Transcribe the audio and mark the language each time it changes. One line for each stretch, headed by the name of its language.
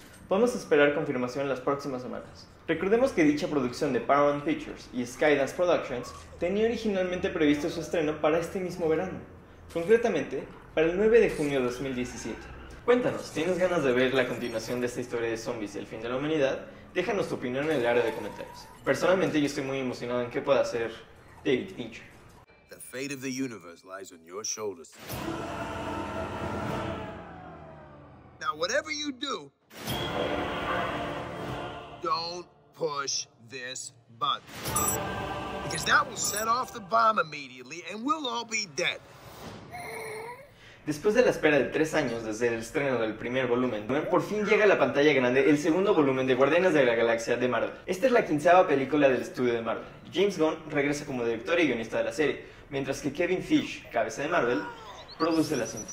Spanish: Podemos esperar confirmación en las próximas semanas. Recordemos que dicha producción de Paramount Pictures y Skydance Productions tenía originalmente previsto su estreno para este mismo verano, concretamente para el 9 de junio de 2017. Cuéntanos, ¿tienes ganas de ver la continuación de esta historia de zombies y el fin de la humanidad? Déjanos tu opinión en el área de comentarios. Personalmente, yo estoy muy emocionado en qué pueda hacer David Fincher.
English: The fate of the universe lies on your shoulders. Now, whatever you do, don't push this button. Because that will set off the bomb immediately and we'll all be dead.
Spanish: Después de la espera de 3 años desde el estreno del primer volumen, por fin llega a la pantalla grande el segundo volumen de Guardianes de la Galaxia de Marvel. Esta es la 15ª película del estudio de Marvel. James Gunn regresa como director y guionista de la serie, mientras que Kevin Feige, cabeza de Marvel, produce la cinta.